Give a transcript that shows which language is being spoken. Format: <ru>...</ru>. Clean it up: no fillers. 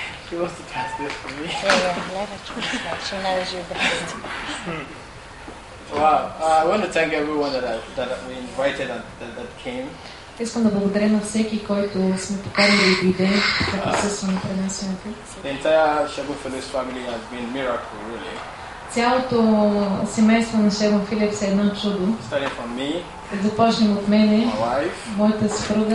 <en>She wants to test this for me. Yeah, yeah, let her choose that. She knows you best. Wow, I want to thank everyone that we invited and that came.</en> <bg>Искам да благодаря на всеки, който сме поканили и дойде да присъстваме при нас.</bg> <en>The entire Shabu Phillips family has been a miracle, really.</en> <bg>Цялото семейство на Шебон Филипс е едно чудо. Започнем от мене, моята съпруга,</bg>